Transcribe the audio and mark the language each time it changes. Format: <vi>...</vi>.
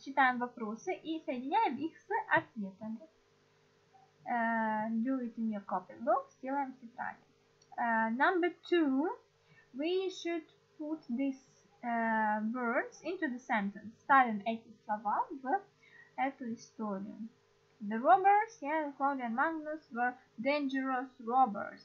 <ru>Считаем вопросы и соединяем их с ответами.</ru> <en>Do it in your copybook.</en> <ru>Сделаем тетрадь.</ru> <en>Number two, we should put these words into the sentence.</en> <ru>Ставим эти слова в эту историю.</ru> <en>The robbers, yeah, Claudia and Magnus were dangerous robbers.</en>